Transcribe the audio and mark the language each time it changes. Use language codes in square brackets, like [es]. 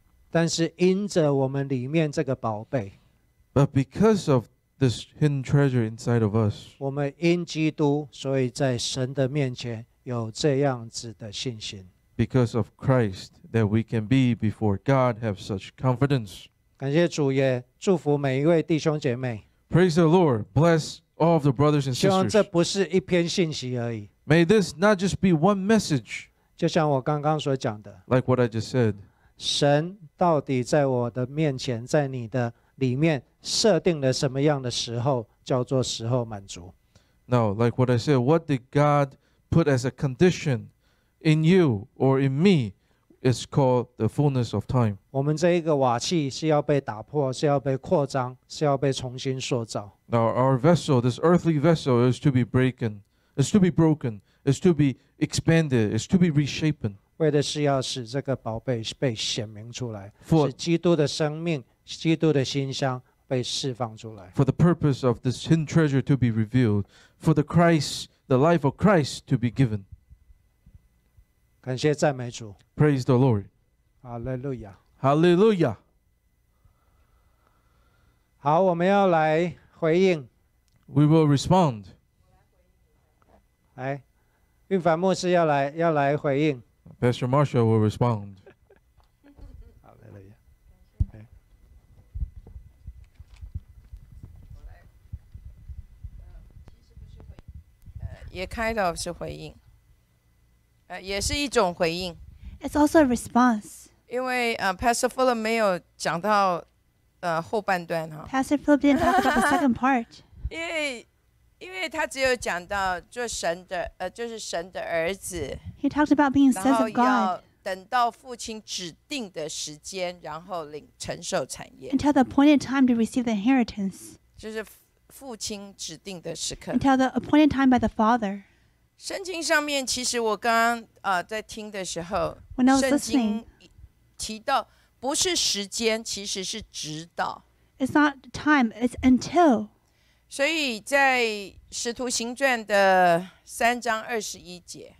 [zh] 但是因着我们里面这个宝贝 [en] ，But because of this hidden treasure inside of us, [zh] 我们因基督，所以在神的面前。有这样子的信心 [en] ，because of Christ that we can be before God have such confidence. [zh] 感谢主也祝福每一位弟兄姐妹。 [en] Praise the Lord, bless all of the brothers and sisters. [zh] 希望这不是一篇信息而已。 [en] May this not just be one message. [zh] 就像我刚刚所讲的 [en] ，like what I just said. [zh] 神到底在我的面前，在你的里面设定了什么样的时候，叫做时候满足 [en] ？Now, like what I said, what did God put as a condition in you or in me is called the fullness of time. [zh] 我们这一个瓦器是要被打破，是要被扩张，是要被重新塑造。 [en] Now our vessel, this earthly vessel, is to be broken, is to be broken, is to be expanded, is to be reshaped. [zh] 为的是要使这个宝贝被显明出来，使基督的生命、基督的馨香被释放出来。 [en] For the purpose of this hidden treasure to be revealed, for the Christ. The life of Christ to be given. [zh] 感谢赞美主。 [en] Praise the Lord. Hallelujah. Hallelujah. [zh] 好，我们要来回应。 [en] We will respond. [zh] 来，运凡牧师要来回应。 [en] Pastor Marshall will respond. Hallelujah. [zh] 也开导是回应，也是一种回应。 [en] It's also a response. [zh] 因为Pastor Philip 没有讲到后半段哈。 [en] Pastor Philip didn't talk about the second part. [zh] 因为他只有讲到做神的就是神的儿子。 [en] He talked about being sons of God. [zh] 然后要等到父亲指定的时间，然后领承受产业。 [en] Until the appointed time to receive the inheritance. [zh] 就是。父亲指定的时刻 [en] Until the appointed time by the Father. [zh] 圣经上面其实我刚刚在听的时候 [en] When I was listening, 圣经 [zh] 提到不是时间其实是直到 [en] It's not time, it's until. [zh] 所以在使徒行传的三章二十一节